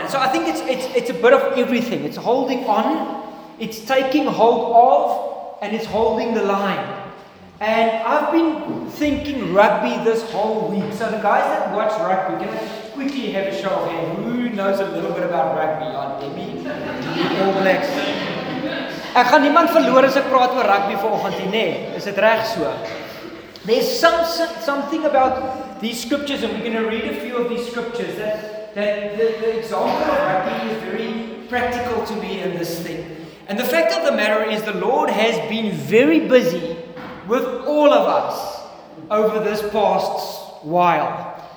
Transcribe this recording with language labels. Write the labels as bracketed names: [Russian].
[English] And so I think it's a bit of everything. It's holding on, it's taking hold of, and it's holding the line. And I've been thinking rugby this whole week. So the guys that watch rugby, can I quickly have a show of hands? Who knows a little bit about rugby? Aren't they me? All Blacks. [Afrikaans] Ek gaan niemand verloor as ek praat oor rugby vanoggend nie. Is dit reg so? [English] There's something about these scriptures, and we're going to read a few of these scriptures, that the example of rugby is very practical to me in this thing. And the fact of the matter is, the Lord has been very busy with all of us over this past while.